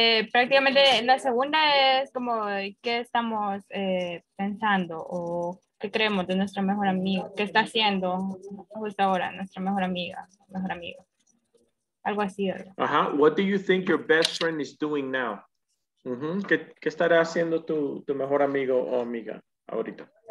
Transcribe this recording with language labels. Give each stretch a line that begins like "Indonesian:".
Spanish: Prácticamente la segunda es como qué estamos pensando o qué creemos de nuestro mejor amigo, qué está haciendo justo ahora nuestra mejor amiga, mejor amigo, algo así.
English: Ajá, what do you think your best friend is doing now? Uh-huh.
Spanish: ¿Qué estará haciendo tu mejor amigo o amiga ahorita?